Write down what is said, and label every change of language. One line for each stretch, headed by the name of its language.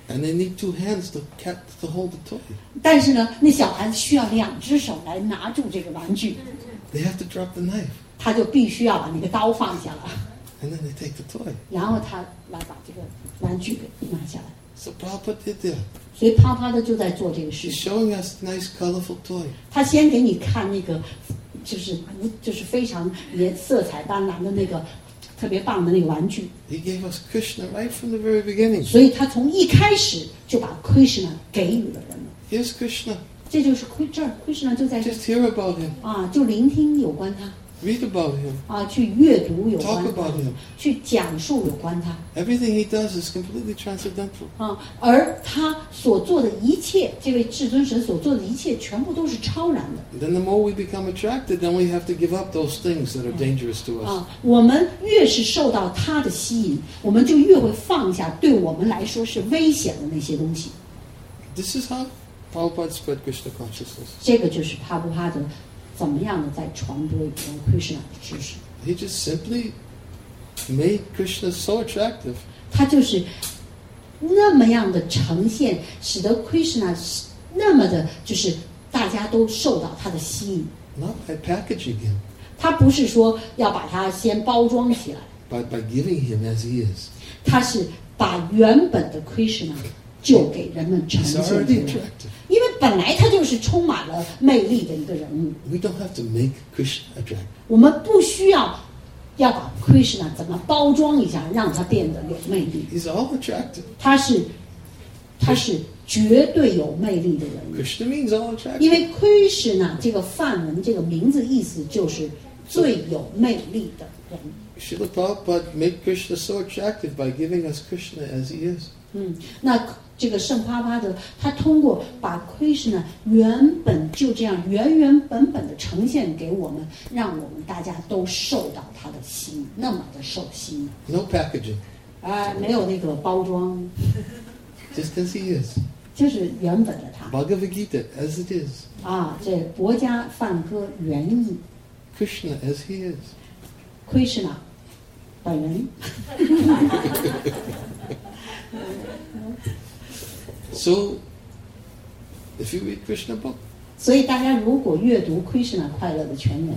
English: And they need two hands to hold the toy.
Chinese: 但是呢，那小孩子需要两只手来拿住这个玩具。
English: They have to drop the knife.
Chinese: 他就必须要把那个刀放下了。
English: And then they take the toy.
Chinese: 然后他来把这个玩具给拿下来。
English: So Prabhupada did that.
Chinese: 所以帕帕的就在做这个事。
English: He's showing us nice, colorful toy.
Chinese: 他先给你看那个，就是非常色彩斑斓的那个特别棒的那个玩具。
English: He gave us Krishna right from the very beginning.
Chinese: 所以他从一开始就把 Krishna 给予了人们。
English: Here's Krishna.
Chinese: 这就是这 Krishna 就在。
English: Just hear about him.
Chinese: 啊，就聆听有关他。
English: Read about him.
Chinese: 啊，去阅读有关。
English: Talk about him.
Chinese: 去讲述有关他。
English: Everything he does is completely transcendental.
Chinese: 啊，而他所做的一切，这位至尊神所做的一切，全部都是超然的。
English: Then the more we become attracted, then we have to give up those things that are dangerous to us.
Chinese: 啊，我们越是受到他的吸引，我们就越会放下对我们来说是危险的那些东西。
English: This is how Prabhupada spread Krishna consciousness.
Chinese: 这个就是帕布哈的。怎么样的在传播一个 Krishna 的知识
English: ？He just simply made Krishna so attractive.
Chinese: 他就是那么样的呈现，使得 Krishna 那么的，就是大家都受到他的吸引。
English: Not by packaging him.
Chinese: 他不是说要把他先包装起来。
English: By giving him as he is.
Chinese: 他是把原本的 Krishna 就给人们呈现出来。因为本来他就是充满了魅力的一个人物。
English: We don't have to make Krishna attractive.
Chinese: 我们不需要把 Krishna 怎么包装一下，让他变得有魅力。
English: He's all attractive.
Chinese: 他是绝对有魅力的人物。
English: Krishna means all attractive.
Chinese: 因为 Krishna 这个梵文这个名字意思就是最有魅力的人。
English: Srila Prabhupada made Krishna so attractive by giving us Krishna as he is.
Chinese: 那。这个圣帕帕德他通过把 Krishna 原本就这样原原本本的呈现给我们让我们大家都受到他的吸引那么的受吸引
English: No packaging、
Chinese: 没有那个包装
English: Just as he is
Chinese: 就是原本的他
English: Bhagavad Gita as it is
Chinese: 啊，这薄伽梵歌原意
English: Krishna as he is
Chinese: Krishna 本人
English: So, if you read Krishna book,
Chinese: 所以大家如果阅读 Krishna 快乐的全文